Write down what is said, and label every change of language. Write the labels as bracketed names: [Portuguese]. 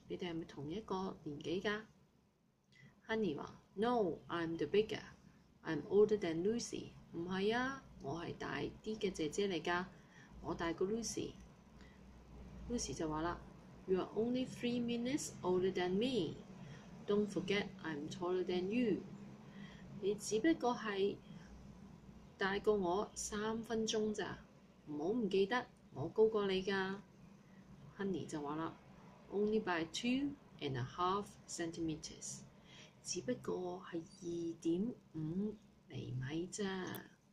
[Cantonese] 你哋係咪同一個年紀㗎？ [English] Honey [Cantonese] 話： [English] No, I'm the bigger. I'm older than Lucy. [Cantonese] 唔係啊，我係大啲嘅姐姐嚟㗎。我大過 Lucy。 [English] Lucy [Cantonese] 就話啦： [English] You're only 3 minutes older than me. Don't forget, I'm taller than you. [Cantonese] 你只不過係大過我3分鐘咋，唔好唔記得我高過你㗎。 [English] Honey [Cantonese] 就話啦： [English] Only by 2.5 centimeters。 [Cantonese] 只不過係2.5厘米咋。